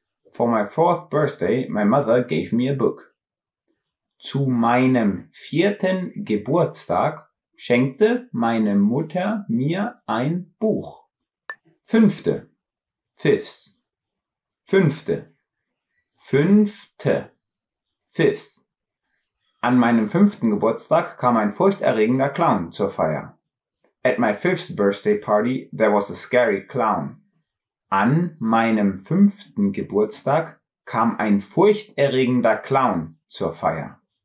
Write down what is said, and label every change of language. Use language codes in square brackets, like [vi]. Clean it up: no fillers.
[en] For my fourth birthday, my mother gave me a book. [de] Zu meinem vierten Geburtstag schenkte meine Mutter mir ein Buch. Fünfte. Fifth. Fünfte. Fünfte. Fifth. An meinem fünften Geburtstag kam ein furchterregender Clown zur Feier. [en] At my fifth birthday party, there was a scary clown. [de] An meinem fünften Geburtstag kam ein furchterregender Clown zur Feier.